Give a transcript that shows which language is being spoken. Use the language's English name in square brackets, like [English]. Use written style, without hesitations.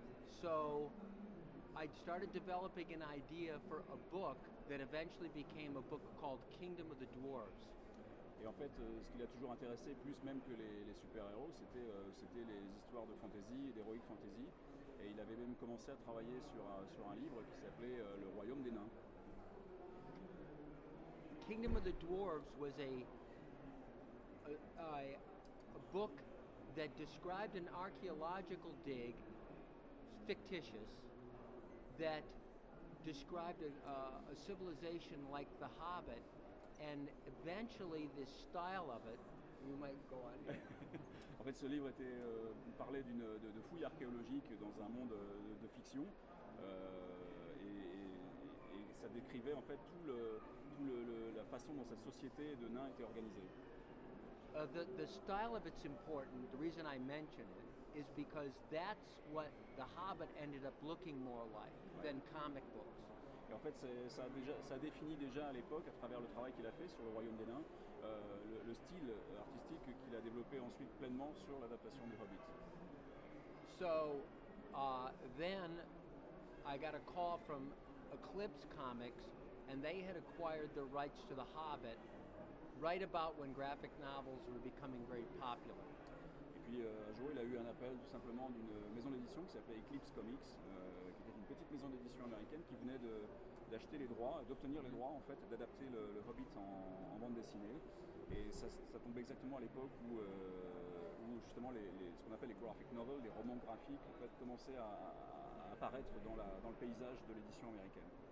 [English] So I started developing an idea for a book that eventually became a book called Kingdom of the Dwarves. [French] Et en fait, ce qui l'a toujours intéressé plus même que les super-héros, c'était les histoires de fantasy et d'heroic fantasy. Et il avait même commencé à travailler sur un livre qui s'appelait Le Royaume des Nains. [English] Kingdom of the Dwarves was a book that described an archaeological dig, fictitious, that described a civilization like the Hobbit, and eventually the style of it. You might go on. [French] En fait, ce livre était parlait de fouilles archéologiques dans un monde de fiction, et ça décrivait en fait tout la façon dont cette société de nains était organisée. [English] The style of it's important. The reason I mention it is because that's what The Hobbit ended up looking more like than comic books. [French] Et en fait, ça définit déjà à l'époque, à travers le travail qu'il a fait sur le Royaume des Nains, le style artistique qu'il a développé ensuite pleinement sur l'adaptation du Hobbit. [English] So, then I got a call from Eclipse Comics, and they had acquired the rights to The Hobbit right about when graphic novels were becoming very popular. [French] Et puis un jour, il a eu un appel tout simplement d'une maison d'édition qui s'appelait Eclipse Comics, qui était une petite maison d'édition américaine qui venait d'acheter les droits, d'obtenir les droits en fait, d'adapter le Hobbit en bande dessinée. Et ça tombe exactement à l'époque où justement ce qu'on appelle les graphic novels, les romans graphiques, en fait, commençaient à apparaître dans le paysage de l'édition américaine.